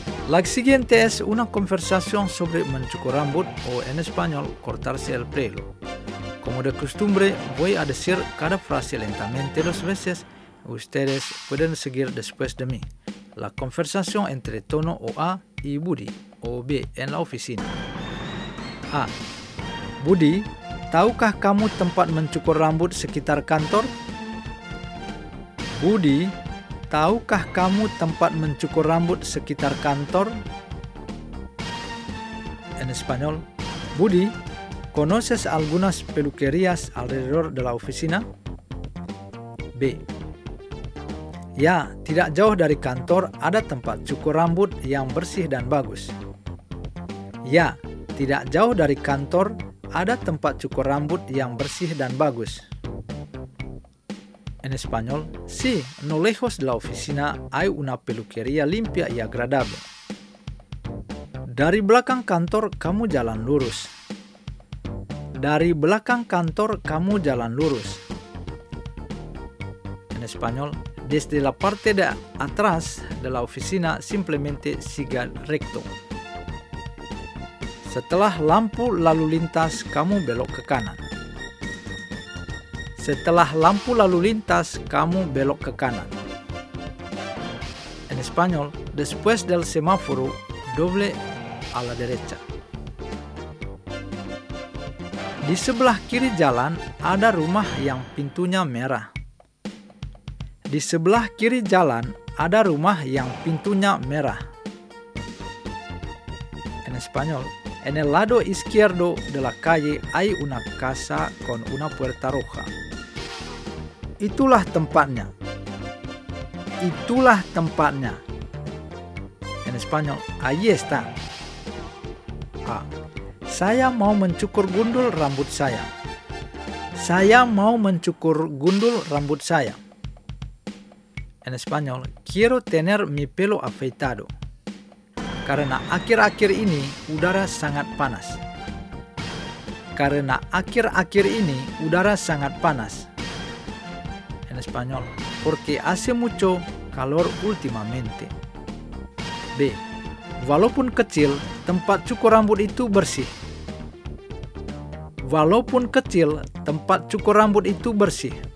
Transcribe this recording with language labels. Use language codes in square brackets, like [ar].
[es] La siguiente es una conversación sobre manchukuo rambut, o en español, cortarse el pelo. Como de costumbre, voy a decir cada frase lentamente dos veces. Ustedes pueden seguir después de mí. La conversación entre Tono o A y Budi, o B, en la oficina. A. [id] Budi, ¿tahukah kamu tempat mencukur rambut sekitar kantor? Budi, ¿tahukah kamu tempat mencukur rambut sekitar kantor? [es] En español, Budi, ¿conoces algunas peluquerías alrededor de la oficina? B. [id] Ya, tidak jauh dari kantor ada tempat cukur rambut yang bersih dan bagus. Ya, tidak jauh dari kantor ada tempat cukur rambut yang bersih dan bagus. [es] En español, sí, no lejos de la oficina hay una peluquería limpia y agradable. [id] Dari belakang kantor kamu jalan lurus. Dari belakang kantor kamu jalan lurus. [es] En español, desde la parte de atrás de la oficina simplemente siga recto. [id] Setelah lampu lalu lintas, kamu belok ke kanan. Setelah lampu lalu lintas, kamu belok ke kanan. [es] En español, después del semáforo, doble a la derecha. [id] Di sebelah kiri jalan, ada rumah yang pintunya merah. Di sebelah kiri jalan, ada rumah yang pintunya merah. [es] En español, en el lado izquierdo de la calle hay una casa con una puerta roja. [id] Itulah tempatnya. Itulah tempatnya. [es] En español, ahí está. A. [id] Saya mau mencukur gundul rambut saya. Saya mau mencukur gundul rambut saya. [es] En español, quiero tener mi pelo afeitado. [id] Karena akhir-akhir ini udara sangat panas. Karena akhir-akhir ini udara sangat panas. [es] En español, porque hace mucho calor últimamente. B. [id] Walaupun kecil, tempat cukur rambut itu bersih. Walaupun kecil, tempat cukur rambut itu bersih.